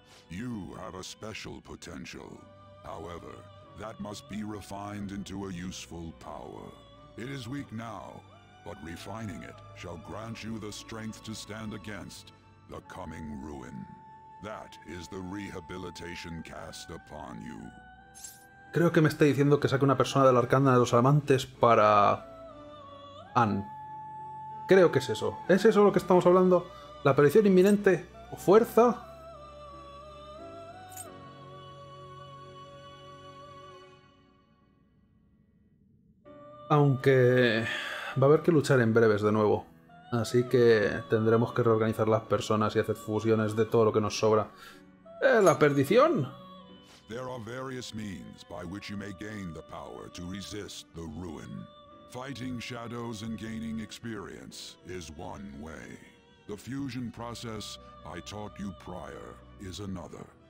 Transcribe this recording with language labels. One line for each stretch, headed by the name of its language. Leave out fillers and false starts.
English: You have a special potential. However, that must be refined into a useful power. It is weak now, but refining it shall grant you the strength to stand against the coming ruin. That is the rehabilitation cast upon you.
Spanish: Creo que me está diciendo que saque una persona de la Arcana de los Amantes para... Anne. Creo que es eso. ¿Es eso lo que estamos hablando? ¿La aparición inminente o fuerza? Aunque va a haber que luchar en breves de nuevo, así que tendremos que reorganizar las personas y hacer fusiones de todo lo que nos sobra. ¡La perdición!
English: There are various means by which you may gain the power to resist the ruin. Fighting shadows and gaining experience is one way. The fusion process I taught you prior is another.